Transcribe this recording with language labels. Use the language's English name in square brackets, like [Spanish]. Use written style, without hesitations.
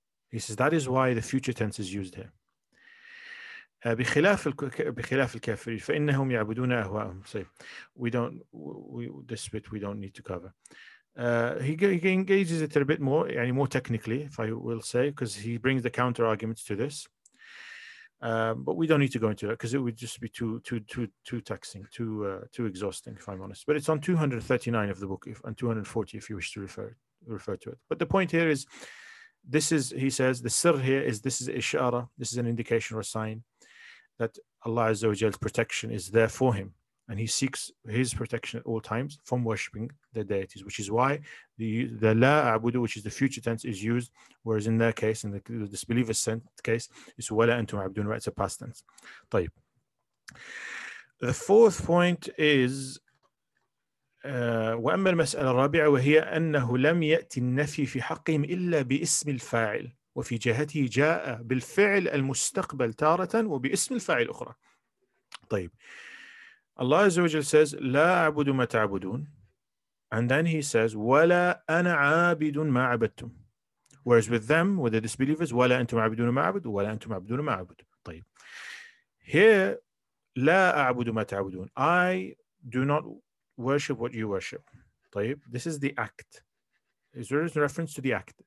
[English] He says that is why the future tense is used here. [Arabic] بخلاف الكافرين فإنهم يعبدون أهواءهم. [English] We don't need to cover. He engages it a bit more, [Arabic] يعني [English] more technically, if I will say, because he brings the counter arguments to this. But we don't need to go into that because it would just be too taxing, too exhausting, if I'm honest. But it's on 239 of the book, and 240 if you wish to refer to it. But the point here is. This is, he says, the sir here is this is ishara, this is an indication or a sign that Allah Azza wa Jalla's protection is there for him. And he seeks his protection at all times from worshipping their deities, which is why the la abudu, which is the future tense, is used. Whereas in their case, in the disbeliever's case, it's [Arabic] wala antum abduna, [English] right? It's a past tense. [Arabic] طيب. [English] The fourth point is [Arabic] وأما المسألة الرابعة وهي أنه لم يأتي النفي في حقهم إلا باسم الفاعل وفي جهته جاء بالفعل المستقبل تارة وباسم الفاعل أخرى. طيب الله عز وجل [English] says [Arabic] لا أعبد ما تعبدون, [English] and then he says [Arabic] ولا أنا عابد ما عبدتم, [English] whereas with them, with the disbelievers, [Arabic] ولا أنتم عابدون ما عبد, ولا أنتم عابدون ما عبد. [English] طيب here [Arabic] لا أعبد ما تعبدون, [English] I do not worship what you worship. [Arabic] طيب [English] this is the act. Is there a reference to the act?